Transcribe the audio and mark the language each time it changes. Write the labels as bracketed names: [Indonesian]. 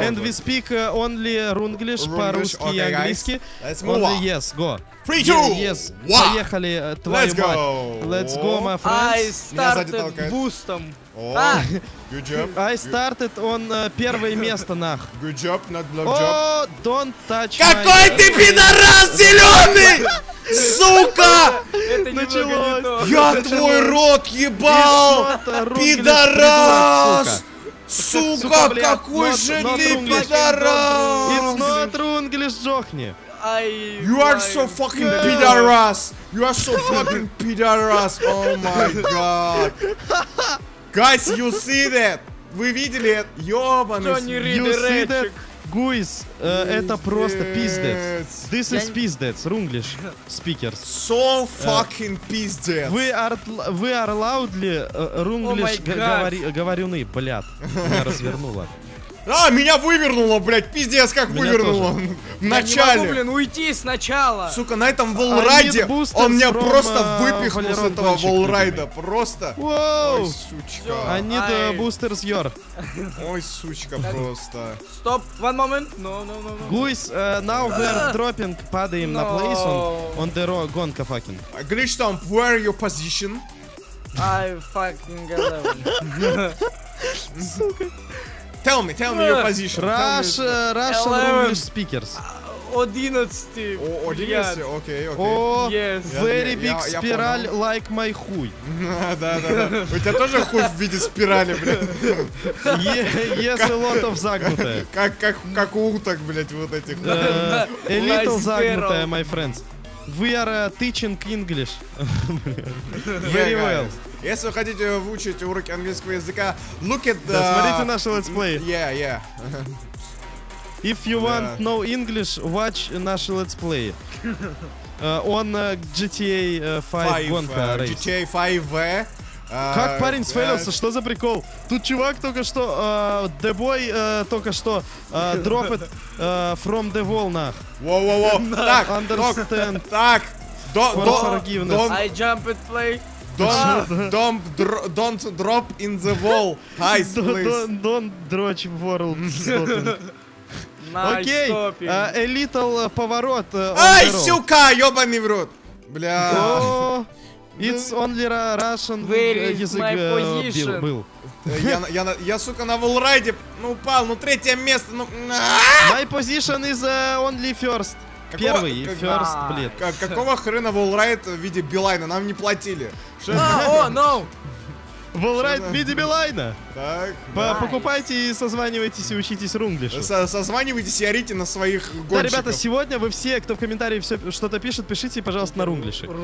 [English] And we speak only Runglish, [Russian] по-русски [English] okay, [Russian] и английски. [English] Guys. Let's move on. Yes, go. 3, 2, yes, one. [Russian] Поехали, твою [English] Let's go. [Russian] Мать. [English] Let's go, my friends. I started boostом. Oh, good job. I started on [Russian] первое место, нах. [English] Good job, not blood job. Oh, don't touch [Russian] Какой ты пидорас зеленый! Сука! Началось. Я твой рот ебал! Пидорас! Сука, какой же ты пидорас! [English] It's not Runglish, жохни. You are so fucking пидорас! You are so fucking пидорас! Oh my god! Guys, you see that? [Russian] Вы видели это? Ёбаный [English] с... You see that? [Russian] Guys, это просто пиздец. [English] This is пиздец, Runglish speakers. So fucking пиздец. We are loudly Runglish [Russian] говорюны, блядь. Меня развернуло. А, меня вывернуло, блядь, пиздец, как вывернуло. В начале. Я не могу, блин, уйти сначала. Сука, на этом волрайде он меня просто выпихнул с этого волрайда. Просто. Воу. Ой, сучка. [English] I need the boosters, your. [Russian] Ой, сучка, просто. [English] Стоп, one moment. No. Guys, now we're dropping, [Russian] падаем на [English] place on the road, [Russian] гонка [English] fucking. Glitchstomp, where your position? I fucking got him. Сука. Tell me your position. Russian English speakers. 11. Oh, 11, yeah. Okay. Oh, yes. Very big spiral like my хуй. [Russian] Да. У тебя тоже хуй в виде спирали, блядь? [English] Yes, a lot of загнутая. [Russian] Как у уток, блядь, вот этих. [English] A little загнутая, my friends. We are teaching English. Very well. [Russian] Если вы хотите выучить уроки английского языка, [English] look at the... [Russian] Да, смотрите наше летсплей. [English] Yeah. If you want know English, watch [Russian] наше летсплей. On GTA 5 гонка рейс. [English] GTA 5 V. [Russian] Как парень сфейлился? Что за прикол? Тут чувак только что... [English] The boy [Russian] только что [English] dropped from the wall, [Russian] нах. Воу-воу-воу. Так, [English] understand. [Russian] Так. [English] I jump and play. Don't drop in the wall, guys, please. Don't drop in world, stopping. Окей, a little поворот. [Russian] Ай, сука, ёбаный в рот. Бля. [English] It's only Russian [Russian] язык был. Я, сука, на волрайде упал, третье место. [English] My position is only first. [Russian] Какого, первый, как, first, блин. Какого хрена волрайд в виде Билайна? Нам не платили. [English] No! [Russian] Волрайд в виде Билайна? Так, покупайте и созванивайтесь, и учитесь Runglish. Созванивайтесь и орите на своих гонщиков. Да, ребята, сегодня вы все, кто в комментариях все что-то пишет, пишите, пожалуйста, на Runglish.